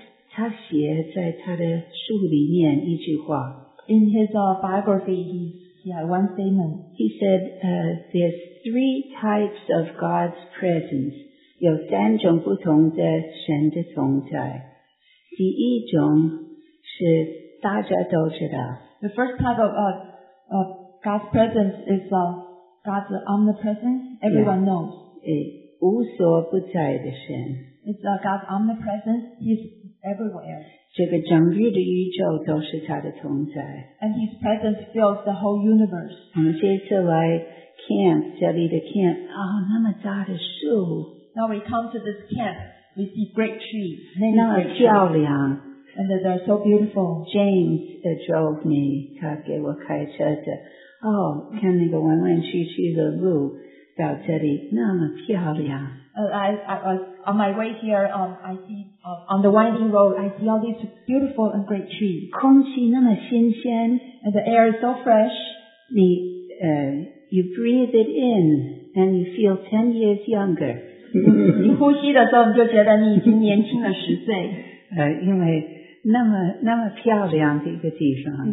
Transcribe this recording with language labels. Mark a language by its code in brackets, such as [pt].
[zh] 他写在他的书里面一句话。 [en] In his biography, he had one statement. He said, there's three types of God's presence. [zh] 有三种不同的神的同在。第一种是大家都知道。 [en] The first type of God's presence is God's omnipresence. Everyone knows. [zh] 无所不在的神。 [en] It's God's omnipresence. He's everywhere. [zh] 这个整个的宇宙都是他的同在。 [en] And his presence fills the whole universe. [zh] 我们这次来 camp, 这里的 camp, 那么大的树。 [en] Now we come to this camp, we see great trees. [zh] 那么漂亮。 [en] And they're so beautiful. James drove me, [zh] 他给我开车子。看那个弯弯曲曲的路到这里那么漂亮。 [en] I was on my way here, I see, on the winding road, I see all these beautiful and great trees. [zh] 空气那么新鲜。 [en] And the air is so fresh. You breathe it in, and you feel 10 years younger. [zh] 你呼吸的时候你就觉得你已经年轻了十岁。因为那么漂亮的一个地方。